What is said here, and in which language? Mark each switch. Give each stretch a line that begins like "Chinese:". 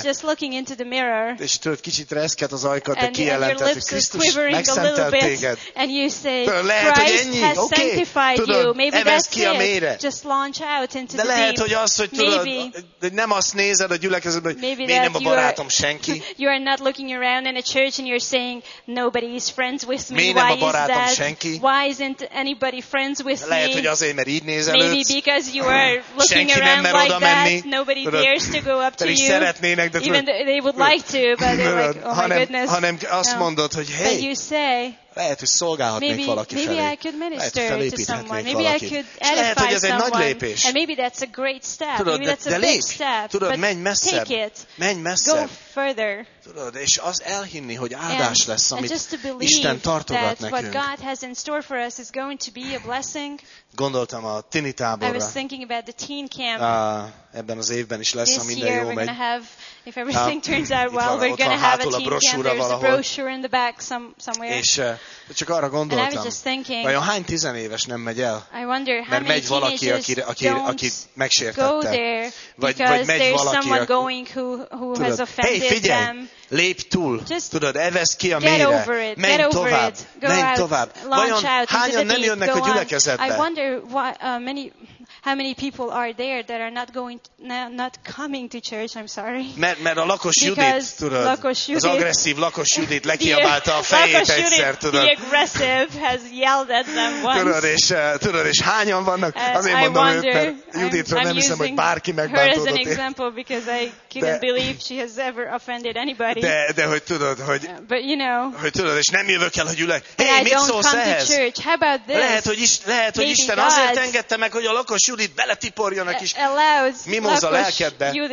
English: It's just looking into the mirror.
Hungarian: És tudod, kicsit reszket az ajkad, de kijelented, hogy Krisztus megszentelt téged.
English: And you say, Christ has sanctified you. Maybe that's it. Just launch out into the deep.
Hungarian: De lehet, hogy az, hogy tudod, hogy nem azt nézed a gyülekezetben, hogy én nem a barátom senki.
English: You are not looking around in a church and you're saying, nobody is friends with me. Why is that? Senki? Why isn't anybody friends with me?
Hungarian: Lehet, hogy azért, mert így nézel őt.
English: Maybe because you are looking around like that. Nobody dares to go up to you.
Hungarian: Szeretnének, de
English: even though they would like to, but they're like, oh my goodness.
Hungarian: Hanem azt mondod, hogy hey.
English: But you say,
Hungarian: lehet, hogy szolgálhatnék valaki felé.
English: Maybe I could minister to someone. Maybe I could edify someone.
Hungarian: És lehet, hogy ez egy nagy lépés.
English: And maybe that's a great step.
Hungarian: Tudod,
English: maybe that's a
Hungarian: lép.
English: Big step.
Hungarian: Tudod,
English: but
Hungarian: menj messzebb.
English: Take it.
Hungarian: Menj messzebb.
English: Go further.
Hungarian: Tudod, és az elhinni, hogy áldás lesz, amit Isten tartogat nekünk.
English: That what God has in store for us is going to be a blessing.
Hungarian: Gondoltam a tini táborra.
English: I was thinking about the teen camp.
Hungarian: Ebben az évben is lesz,
English: this
Hungarian: ha minden jó megy.
English: If everything turns out well, we're going to have a team camp. There's a brochure in the back somewhere.
Hungarian: És csak arra gondoltam, vajon hány tizenéves nem megy el?
English: I wonder,
Hungarian: mert megy valaki, aki megsértette. Vagy megy valaki,
English: hey,
Hungarian: figyelj!
English: Them.
Hungarian: Lép túl,
English: just
Hungarian: tudod, evesz ki a mélyre, menj tovább, menj tovább. Vajon hányan nem jönnek a gyülekezetbe?
English: I wonder why, how many people are there that are not coming to church, I'm sorry.
Hungarian: Mert a lakos Judit, tudod, lakos Judit, az agresszív lakos Judit lekiabálta a fejét egyszer, tudod.
English: The aggressive has yelled at them once.
Hungarian: Tudod, és hányan vannak? Azért mondom őt, mert Juditról nem hiszem, hogy bárki megbántott.
English: I'm using her as an example because I couldn't believe she has ever offended anybody.
Hungarian: De hogy tudod, hogy
English: but you know,
Hungarian: hogy tudod, és nem jövök el, hogy ülek. Hey, mit szólsz ehhez? Lehet, hogy Isten azért engedte meg, hogy a lakos Judit beletiporjon a kis mimóza lelkedbe.